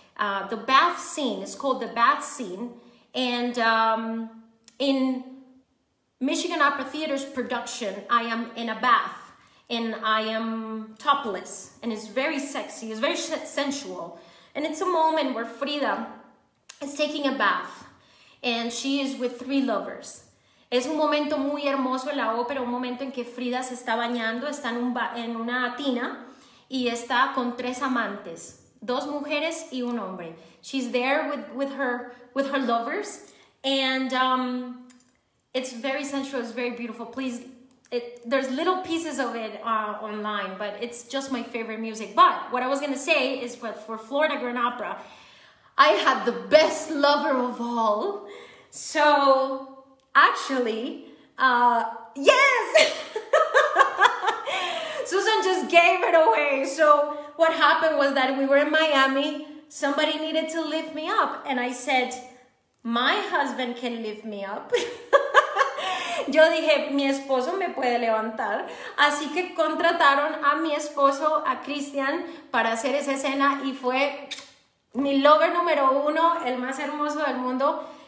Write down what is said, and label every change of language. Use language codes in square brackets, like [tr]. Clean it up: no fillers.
[en] The bath scene is called the bath scene, and in Michigan Opera Theater's production, I am in a bath and I am topless, and it's very sexy, it's very sensual, and it's a moment where Frida is taking a bath and she is with three lovers. [es] Es un momento muy hermoso en la ópera, un momento en que Frida se está bañando, está en una tina y está con tres amantes. Dos mujeres y un hombre. [en] She's there with her lovers, and it's very sensual, it's very beautiful. Please, there's little pieces of it online, but it's just my favorite music. But what I was gonna say is, but for Florida Grand Opera, I had the best lover of all. So actually, yes! Susan just gave it away. So what happened was that we were in Miami, somebody needed to lift me up, and I said, my husband can lift me up. [es] Yo dije, mi esposo me puede levantar. Así que contrataron a mi esposo, a Christian, para hacer esa escena, y fue mi lover número uno, el más hermoso del mundo.